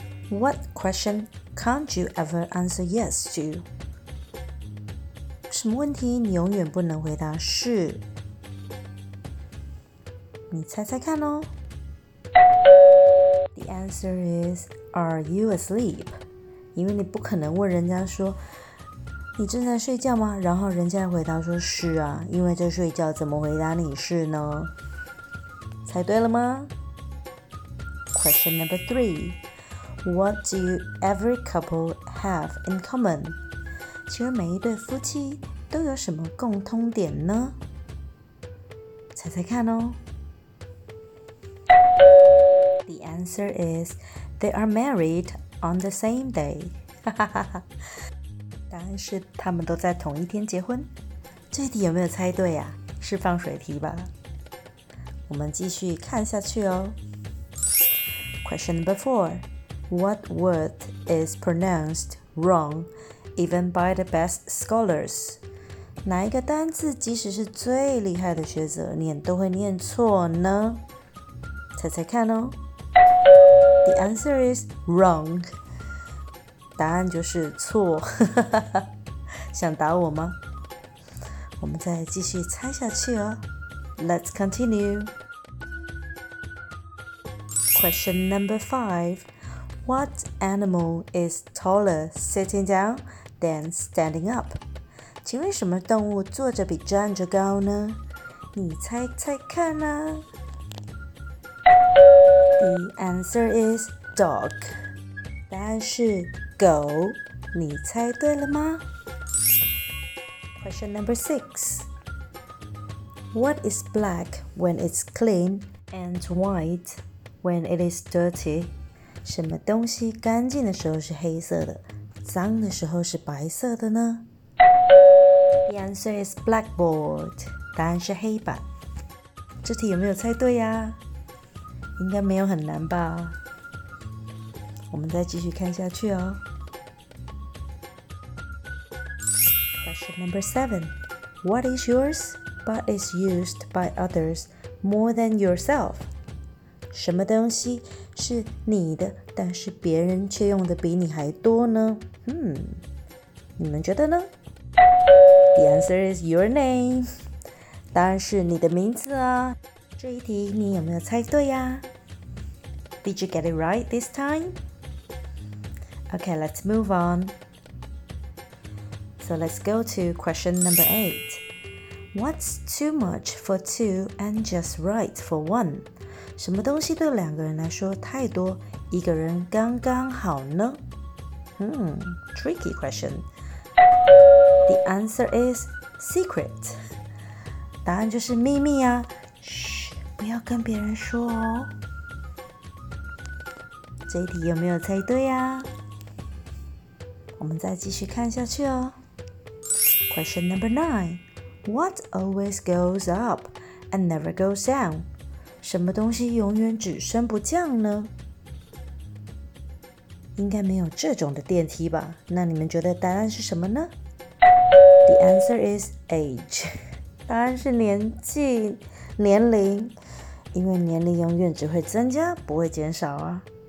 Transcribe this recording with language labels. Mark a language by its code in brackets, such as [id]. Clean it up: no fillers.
[en] What question can't you ever answer yes to? [zh] 什么问题你永远不能回答是？你猜猜看哦。 [en] The answer is, are you asleep? [zh] 因为你不可能问人家说，你正在睡觉吗？然后人家回答说是啊，因为在睡觉，怎么回答你是呢？猜对了吗？ [en] Question number three. What do every couple have in common? [zh] 其实每一对夫妻都有什么共通点呢？猜猜看哦。 [en] The answer is they are married on the same day. [zh] 答案是他们都在同一天结婚。这题有没有猜对啊？是放水题吧？我们继续看下去哦。 [en] Question number four. What word is pronounced wrong even by the best scholars? [zh] 哪一个单字即使是最厉害的学者念都会念错呢？猜猜看哦。 [en] The answer is wrong. [zh] 答案就是错。想打我吗？我们再继续猜下去哦。 [en] Let's continue. Question number five. What animal is taller sitting down than standing up? [zh] 请问什么动物坐着比站着高呢？你猜猜看啊。 [en] The answer is dog. [zh] 答案是狗。你猜对了吗？ [en] Question number six. What is black when it's clean and white? When it is dirty, [zh] 什么东西干净的时候是黑色的，脏的时候是白色的呢？ [en] The answer is blackboard. [zh] 答案是黑板。这题有没有猜对呀？应该没有很难吧？我们再继续看下去哦。 [en] Question number seven. What is yours, but is used by others more than yourself? [zh] 什么东西是你的，但是别人却用的比你还多呢？嗯，你们觉得呢？ [en] The answer is your name. [zh] 答案是你的名字啊。这一题你有没有猜对呀？ [en] Did you get it right this time? Okay, let's move on. So let's go to question number eight. What's too much for two and just right for one? [zh] 什么东西对两个人来说太多，一个人刚刚好呢？ [en] tricky question. The answer is secret. [zh] 答案就是秘密啊，嘘，不要跟别人说哦。这一题有没有猜对啊？我们再继续看下去哦。 [en] Question number nine. What always goes up and never goes down? [zh] 什么东西永远只升不降呢？应该没有这种的电梯吧？那你们觉得答案是什么呢？ [en] The answer is age. [zh] 答案是年纪，年龄，因为年龄永远只会增加，不会减少啊。